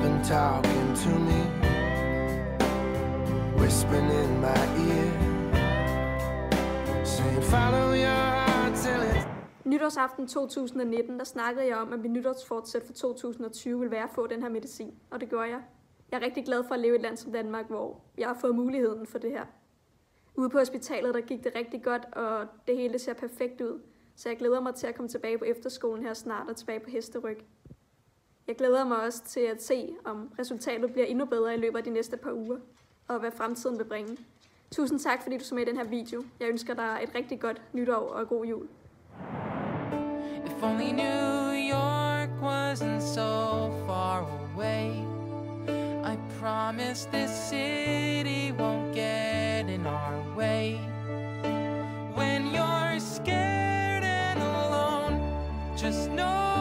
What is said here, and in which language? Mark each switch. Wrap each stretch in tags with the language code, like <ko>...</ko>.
<en>Talking to me, whispering in my ear, saying follow your heart till it.</en> <da>Nytårsaften 2019, der snakkede jeg om, at mit nytårsfortsæt for 2020 ville være at få den her medicin, og det gjorde jeg. Jeg er rigtig glad for at leve i et land som Danmark, hvor jeg har fået muligheden for det her. Ude på hospitalet, der gik det rigtig godt, og det hele ser perfekt ud, så jeg glæder mig til at komme tilbage på efterskolen her snart og tilbage på hesteryg. Jeg glæder mig også til at se, om resultatet bliver endnu bedre i løbet af de næste par uger, og hvad fremtiden vil bringe. Tusind tak, fordi du så med i den her video. Jeg ønsker dig et rigtig godt nytår og god jul.</da> <en>If only New York wasn't so far away. I promise this city won't get in our way. When you're scared and alone, just know.</en>